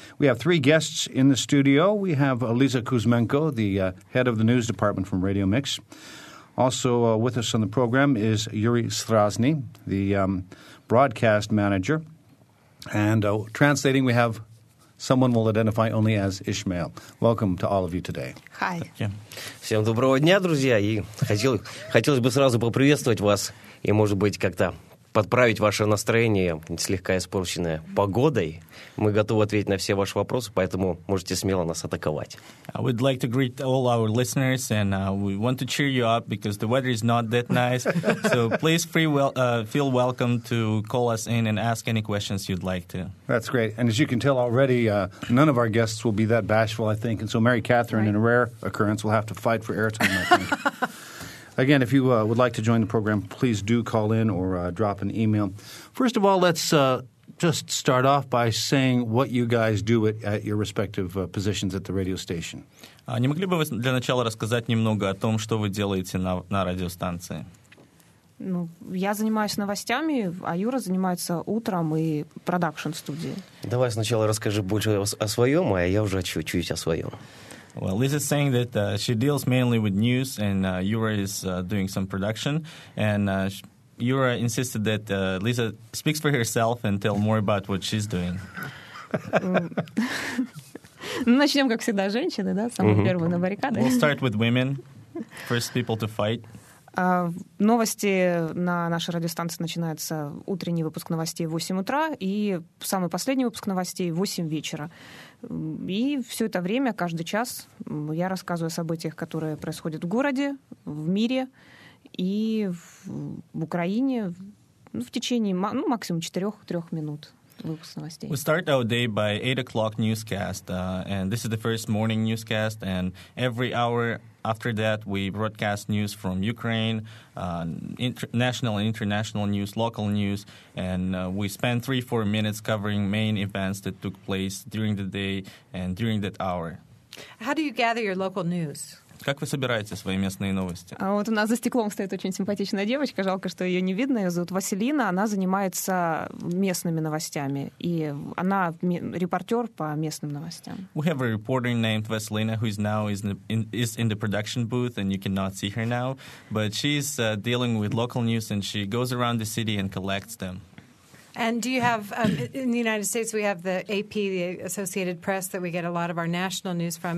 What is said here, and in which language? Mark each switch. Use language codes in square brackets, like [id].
[en] We have three guests in the studio. We have Lisa Kuzmenko, the head of the news department from Radio Mix. Also with us on the program is Yuri Strazny, the broadcast manager. And translating, we have someone we'll identify only as Ishmael. Welcome to all of you today. Hi. [ru] Всем доброго дня, друзья. И хотелось бы сразу поприветствовать вас и, может быть, как-то подправить ваше настроение, слегка испорченное погодой. Мы готовы ответить на все ваши вопросы, поэтому можете смело нас атаковать. [en] I would like to greet all our listeners, and we want to cheer you up because the weather is not that nice. So please feel welcome to call us in and ask any questions you'd like to. That's great. And as you can tell already, none of our guests will be that bashful, I think. And so Mary Catherine, right, in a rare occurrence, will have to fight for airtime, I think. Again, if you would like to join the program, please do call in or drop an email. First of all, let's just start off by saying what you guys do at your respective positions at the radio station. [ru] Не могли бы вы для начала рассказать немного о том, что вы делаете на радиостанции? Ну, я занимаюсь новостями, а Юра занимается утром и продакшн-студией. Давай сначала расскажи больше о своем, а я уже чуть-чуть о своем. [en] Well, Liz is saying that she deals mainly with news, and Yura is doing some production. And Yura insisted that Lisa speaks for herself and tell more about what she's doing. [ru] Начнем, как всегда, с женщины, да, самые первые на баррикады. [en] We'll start with women, first people to fight. [ru] Новости на нашей радиостанции начинаются, утренний выпуск новостей в 8 утра, и самый последний выпуск новостей в 8 вечера. И все это время, каждый час, я рассказываю о событиях, которые происходят в городе, в мире и в Украине в течение максимум 4-3 минут. [en] We start our day by 8 o'clock newscast, and this is the first morning newscast, and every hour after that we broadcast news from Ukraine, national and international news, local news, and we spend 3-4 minutes covering main events that took place during the day and during that hour. How do you gather your local news? [ru] Как вы собираете свои местные новости? А вот у нас за стеклом стоит очень симпатичная девочка. Жалко, что ее не видно. Ее зовут Василина. Она занимается местными новостями. И она репортер по местным новостям. [en] We have a reporter named Vaselina, who is now is in the production booth, and you cannot see her now. But she's dealing with local news, and she goes around the city and collects them. And do you have, in the United States, we have the AP, the Associated Press, that we get a lot of our national news from.